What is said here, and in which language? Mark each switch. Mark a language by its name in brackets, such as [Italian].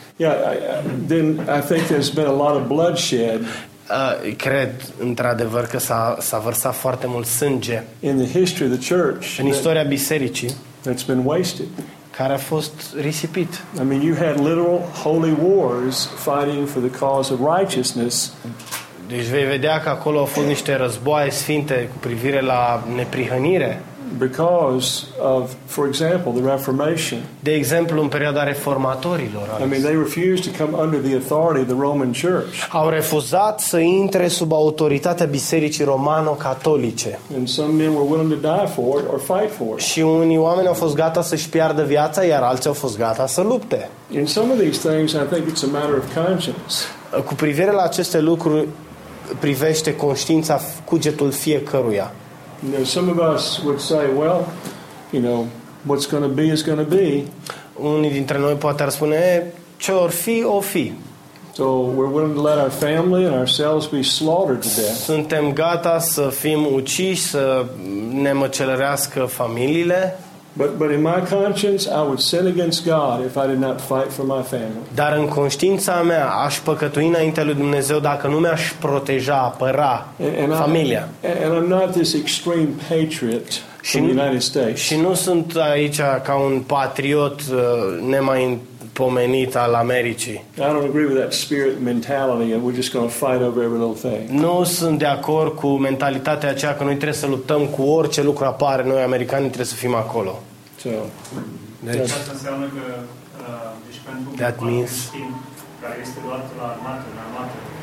[English] Yeah, then I think there's been a lot of bloodshed. [Romanian] Cred, într-adevăr, că s-a vărsat foarte mult sânge. [English] In the history of the church. [Romanian] În istoria bisericii. [English] That's been wasted. [Romanian] Care a fost risipit. [English] I mean, you had literal holy wars fighting for the cause of righteousness. [Romanian] Deci vei vedea că acolo au fost niște războaie sfinte cu privire la neprihănire. [English] Because of, for example, the Reformation. [Romanian] De exemplu, în perioada reformatorilor. [English] I mean, they refused to come under the authority of the Roman Church. [Romanian] Au refuzat să intre sub autoritatea Bisericii Romano-Catolice. [English] And some men were willing to die for it or fight for it. [Romanian] Și unii oameni au fost gata să-și piardă viața, iar alții au fost gata să lupte. [English] In some of these things, I think it's a matter of conscience. [Romanian] Cu privire la aceste lucruri, privește conștiința, cugetul fiecăruia. [English] You know, some of us would say, well, you know, what's going to be is going to be. [Romanian] Unii dintre noi poate ar spune, ce or fi, o fi. [English] So we're willing to let our family and ourselves be slaughtered to death. [Romanian] Suntem gata să fim uciși, să ne măcelărească familiile. [English] But in my conscience, I would sin against God if I did not fight for my family. [Romanian] Dar în conștiința mea, aș păcătui înaintea lui Dumnezeu dacă nu mi-aș proteja, apăra familia. [English] And I'm not this extreme patriot from the United States. [Romanian] Și nu sunt aici ca un patriot nemai pomenit al Americii. [English] I don't agree with that spirit mentality and we're just going to fight over every little thing. [Romanian] Nu sunt de acord cu mentalitatea aceea că noi trebuie să luptăm cu orice lucru apare, noi americanii trebuie să fim acolo. [English] So, [Romanian] deci asta înseamnă că deci pentru [English] that means [Romanian] care este luat la armată, în armată.